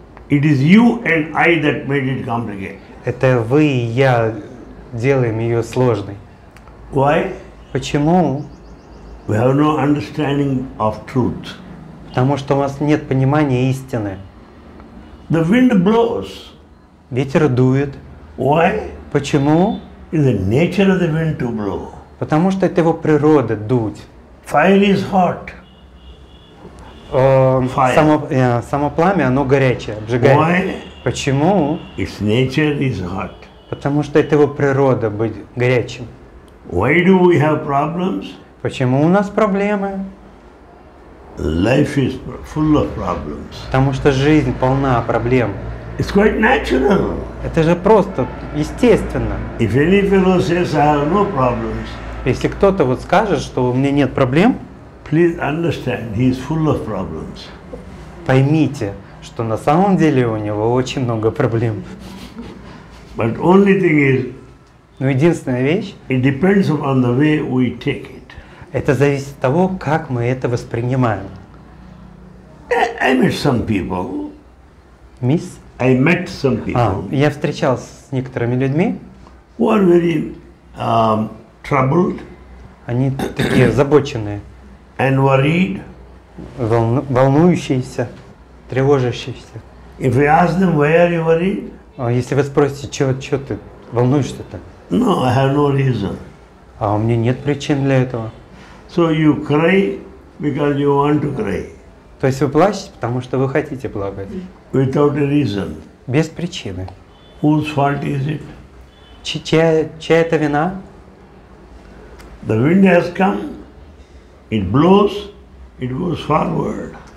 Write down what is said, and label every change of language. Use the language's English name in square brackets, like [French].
[English] It is you and I that made it complicated. [Russian] Это вы и я делаем ее сложной. [English] Why? [Russian] Почему? [English] We have no understanding of truth. [Russian] Потому что у вас нет понимания истины. [English] The wind blows. [Russian] Ветер дует. [English] Why? [Russian] Почему? [English] It's the nature of the wind to blow. [Russian] Потому что это его природа дуть. [English] Fire is hot. Fire. [Russian] Само пламя, оно горячее, обжигает. [English] Why? [Russian] Почему? [English] Its nature is hot. [Russian] Потому что это его природа быть горячим. [English] Why do we have problems? [Russian] Почему у нас проблемы? [English] Life is full of problems. [Russian] Потому что жизнь полна проблем. [English] It's quite natural. [Russian] Это же просто естественно. [English] If any fellow says I have no problems, [Russian] если кто-то вот скажет, что у меня нет проблем, [English] please understand, he is full of problems. [Russian] Поймите, что на самом деле у него очень много проблем. [English] But only thing is, [Russian] но единственная вещь, [English] it depends upon the way we take it. [Russian] Это зависит от того, как мы это воспринимаем. [English] I met some people. Miss? I met some people. [Russian] Я встречался с некоторыми людьми. [English] Who are very troubled. [Russian] Они такие озабоченные. [English] And worried. [Russian] Волнующиеся, тревожащиеся. [English] If we ask them, why are you worried? [Russian] Если вы спросите, чего ты волнуешься-то? [English] No, I have no reason. [Russian] А у меня нет причин для этого. [English] So you cry because you want to cry. [Russian] То есть вы плачете, потому что вы хотите плакать. [English] Without a reason. [Russian] Без причины. [English] Whose fault is it? [Russian] Чья это вина? [English] The wind has come. It blows. It goes forward.